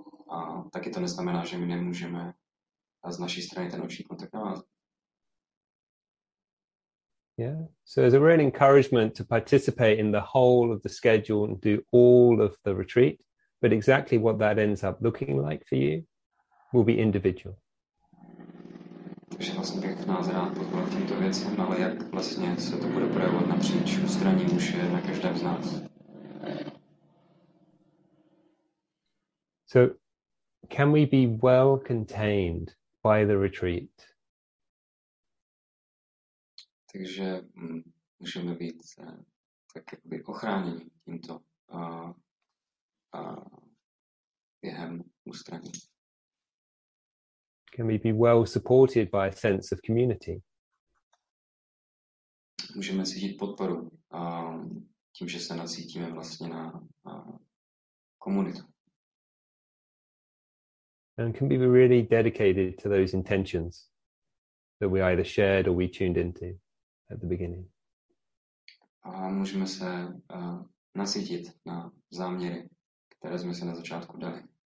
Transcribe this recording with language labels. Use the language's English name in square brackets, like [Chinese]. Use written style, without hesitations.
[Czech] A taky to neznamená, že my nemůžeme z naší strany ten oční kontakt navázat. [English] Yeah, so it's a real encouragement to participate in the whole of the schedule and do all of the retreat, but exactly what that ends up looking like for you will be individual. [Czech] Takže vlastně bych nás rád podporil tímto věcem, ale jak vlastně se to bude projevovat napříč ústraním už je na každém z nás. [English] So can we be well contained by the retreat? [Czech] Takže můžeme být tak jakoby ochráněni tímto během ústraní. [English] Can we be well supported by a sense of community? [Czech] Můžeme cítit podporu tím, že se nacítíme vlastně na komunitu. [English] And can we be really dedicated to those intentions that we either shared or we tuned into at the beginning? [Czech] A můžeme se nasytit na záměry, které jsme se na začátku dali.